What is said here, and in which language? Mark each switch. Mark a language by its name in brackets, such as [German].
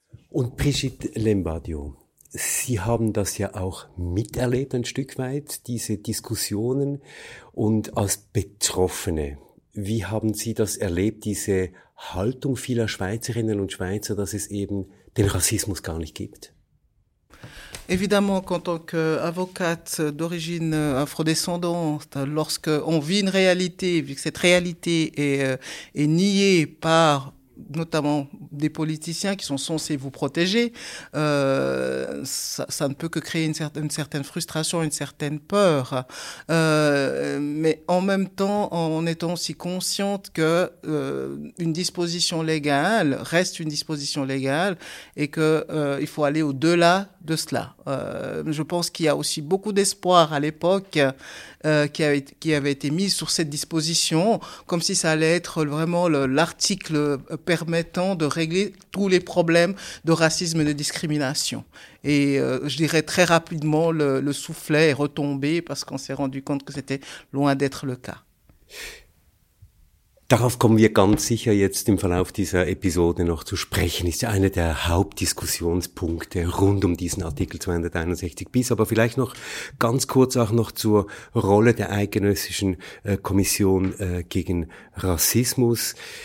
[German] Und Brigitte Lembadio, Sie haben das ja auch miterlebt ein Stück weit, diese Diskussionen. Und als Betroffene, wie haben Sie das erlebt, diese Haltung vieler Schweizerinnen und Schweizer, dass es eben den Rassismus gar nicht gibt? [French] Évidemment, en tant qu'avocate d'origine afrodescendante, lorsque on vit une réalité, vu que cette réalité est niée par notamment des politiciens qui sont censés vous protéger, ça ne peut que créer une certaine frustration, une certaine peur. Mais en même temps, en étant aussi consciente que une disposition légale reste une disposition légale et que il faut aller au-delà de cela. Je pense qu'il y a aussi beaucoup d'espoir à l'époque qui avait été mis sur cette disposition, comme si ça allait être vraiment l'article permettant de régler tous les problèmes de racisme et de discrimination. Et je dirais très rapidement, le soufflet est retombé parce qu'on s'est rendu compte que c'était loin d'être le cas. [German] Darauf kommen wir ganz sicher jetzt im Verlauf dieser Episode noch zu sprechen. Ist ja einer der Hauptdiskussionspunkte rund um diesen Artikel 261 bis. Aber vielleicht noch ganz kurz auch noch zur Rolle der Eidgenössischen Kommission gegen Rassismus.